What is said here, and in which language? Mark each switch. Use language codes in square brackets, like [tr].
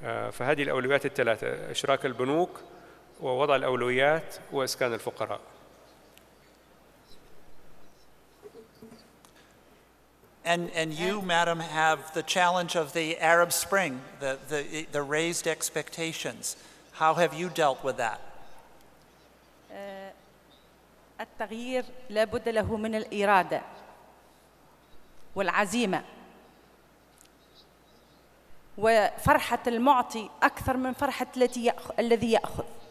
[ar] فهذه الأولويات الثلاثة, إشراك البنوك ووضع الأولويات وإسكان الفقراء. [en] And you, madam, have the challenge of the Arab Spring, the raised expectations. How have you dealt with that? [ar] التغيير لابد له من الإرادة والعزيمة. وفرحة المعطي أكثر من فرحة الذي يأخذ.